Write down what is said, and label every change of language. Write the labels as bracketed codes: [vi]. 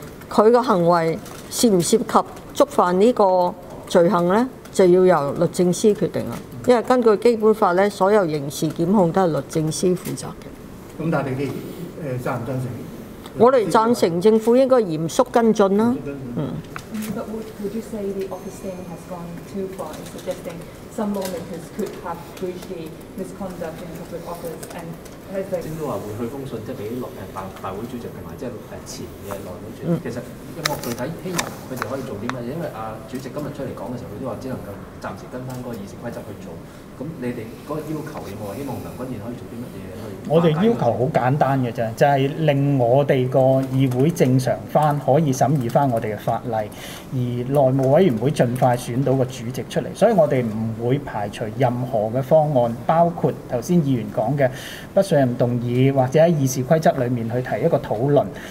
[yue] 佢個行為涉唔涉及觸犯呢個罪行呢，就要由律政司決定啦。因為根據基本法咧，所有刑事檢控都係律政司負責嘅。咁但係你贊唔贊成？我哋贊成政府應該嚴肅跟進啦。 [en] Would you say the office staff has gone too far in suggesting some lawmakers could have breached the misconduct in public office and has like? [yue] 聽到話會去封信，即係俾大會主席同埋即係前嘅內會主席。其實有冇具體希望佢哋可以做啲乜？因為主席今日出嚟講嘅時候，佢都話只能夠暫時跟翻嗰個議事規則去做。咁你哋嗰個要求有冇希望梁君彥可以做啲乜嘢？我哋要求好簡單嘅啫，就係令我哋個議會正常翻，可以審議翻我哋嘅法例，而內務委員會盡快選到個主席出嚟。所以我哋唔會排除任何嘅方案，包括頭先議員講嘅不信任動議，或者喺議事規則裡面去提一個討論。